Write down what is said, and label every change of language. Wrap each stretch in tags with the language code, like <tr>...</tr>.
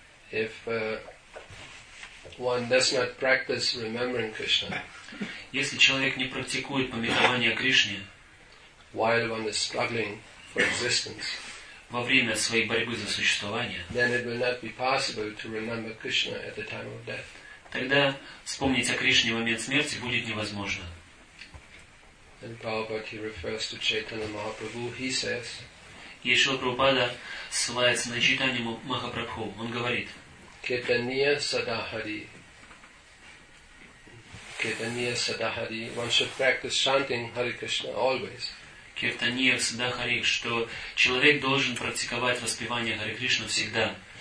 <en>If one does not practice remembering Krishna,</en> <ru>если человек не практикует памятование о Кришне,</ru> <en>while one is struggling for existence,</en> <ru>во время своей борьбы за существование,</ru> <en>then it will not be possible to remember Krishna at the time of death.</en> <ru>Тогда вспомнить о Кришне в момент смерти будет невозможно.</ru> <en>And Prabhupada, he refers to Chaitanya Mahaprabhu, he says,</en> <ru>и Шрила Прабхупада ссылается на Чайтанью Махапрабху. Он говорит, Кетанья Садахари. Кетанья Садахари.</ru> <en>One should practice chanting Hare Krishna always.</en> <ru>Киртаниев Садахарих, что человек должен практиковать воспевание Харе Кришна всегда.</ru>